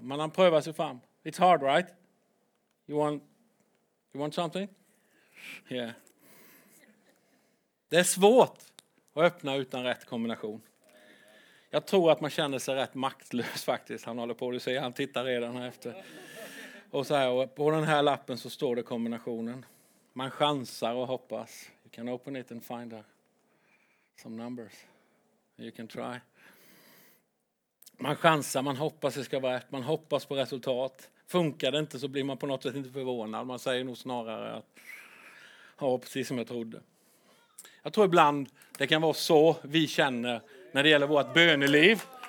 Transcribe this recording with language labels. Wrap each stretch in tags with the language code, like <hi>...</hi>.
<sv>Men han prövar sig fram.</sv> <en>It's hard, right? You want something? Yeah.</en> <sv>Det är svårt. Och öppna utan rätt kombination. Jag tror att man känner sig rätt maktlös faktiskt. Han håller på att se. Han tittar redan här efter. Och så här, och på den här lappen så står det kombinationen. Man chansar och hoppas.</sv> <en>You can open it and find some numbers. You can try.</en> <sv>Man chansar, man hoppas det ska vara rätt. Man hoppas på resultat. Funkar det inte så blir man på något sätt inte förvånad. Man säger nog snarare att ja, precis som jag trodde. Jag tror ibland det kan vara så vi känner när det gäller vårt böneliv.</sv>